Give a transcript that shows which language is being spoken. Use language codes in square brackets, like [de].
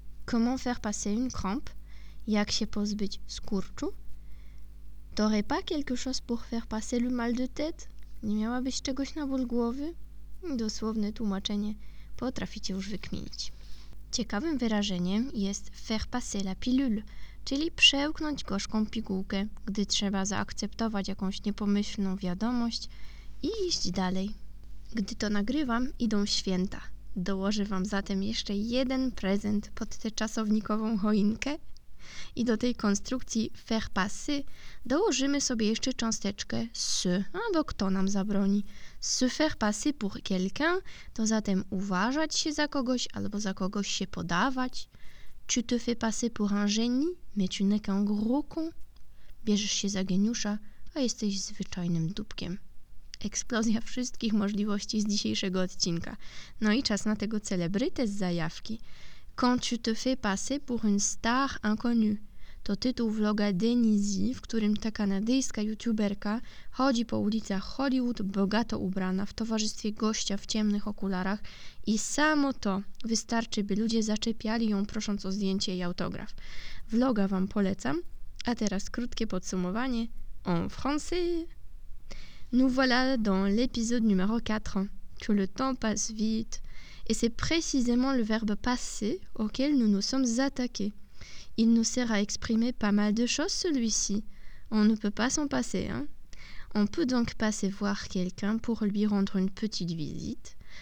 [fr] Comment faire passer une crampe? [pl] Jak się pozbyć skurczu? [fr] T'aurais pas quelque chose pour faire passer le mal de tête? [pl] Nie miałabyś czegoś na ból głowy? Dosłowne tłumaczenie potraficie już wykminić. Ciekawym wyrażeniem jest [fr] faire passer la pilule, [pl] czyli przełknąć gorzką pigułkę, gdy trzeba zaakceptować jakąś niepomyślną wiadomość i iść dalej. Gdy to nagrywam, idą święta. Dołożę Wam zatem jeszcze jeden prezent pod tę czasownikową choinkę. I do tej konstrukcji faire passer dołożymy sobie jeszcze cząsteczkę se, albo kto nam zabroni. [fr] Se faire passer pour quelqu'un [pl] to zatem uważać się za kogoś albo za kogoś się podawać. [fr] Tu te fais passer pour un génie, mais tu n'es qu'un gros con. [pl] Bierzesz się za geniusza, a jesteś zwyczajnym dupkiem. Eksplozja wszystkich możliwości z dzisiejszego odcinka. No i czas na tego celebrytę z zajawki. [fr] Quand tu te fais passer pour une star inconnue. [pl] To tytuł vloga Denizy, w którym ta kanadyjska youtuberka chodzi po ulicach Hollywood bogato ubrana w towarzystwie gościa w ciemnych okularach i samo to wystarczy, by ludzie zaczepiali ją prosząc o zdjęcie i autograf. Vloga Wam polecam, a teraz krótkie podsumowanie [fr] en français. Nous voilà dans l'épisode numéro 4. Que le temps passe vite. Et c'est précisément le verbe passer auquel nous nous sommes attaqués. Il nous sert à exprimer pas mal de choses, celui-ci. On ne peut pas s'en passer, hein? On peut donc passer voir quelqu'un pour lui rendre une petite visite.